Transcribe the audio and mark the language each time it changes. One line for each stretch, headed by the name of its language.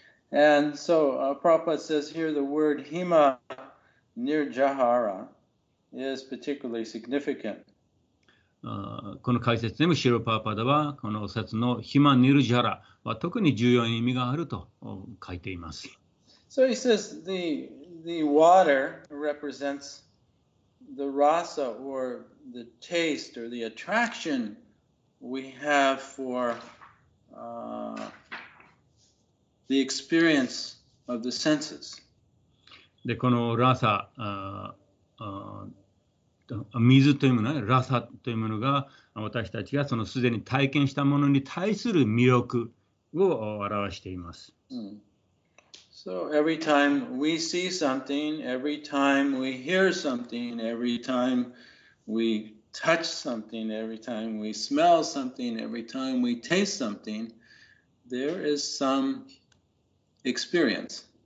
English: And so, Prabhupada says here the word Hima Nirjahara is particularly significant.
Japanese: この解説でもシロパーパーダはこの説のヒマニルジャラは特に重要な意味があると書いています。
English: So he says the water represents the rasa or the taste or the attraction we have for the experience of the senses.
Japanese: で、このラサ、水というものね、ラサというものが私たちがそのすでに体験したものに対する魅力を表しています。
English: うん。So every time we see something, every time we hear something, every time we touch something, every time we smell something, every time we taste something, there is some experience.